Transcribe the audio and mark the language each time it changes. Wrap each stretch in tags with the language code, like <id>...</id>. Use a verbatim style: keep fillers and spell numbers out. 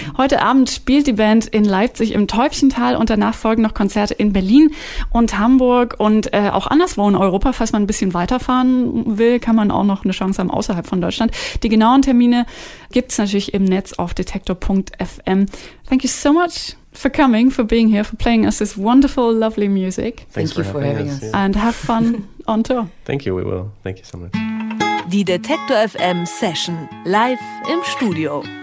<de>Heute Abend spielt die Band in Leipzig im Täubchental und danach folgen noch Konzerte in Berlin und Hamburg und äh, auch anderswo in Europa. Falls man ein bisschen weiterfahren will, kann man auch noch eine Chance haben außerhalb von Deutschland. Die genauen Termine gibt's natürlich im Netz auf detektor dot f m.</de> <en>Thank you so much for coming, for being here, for playing us this wonderful, lovely music. Thanks Thank you for having, having us. us. And have fun on tour. Thank you, we will. Thank you so much.</en> <de>Die Detektor F M Session live im Studio.</de>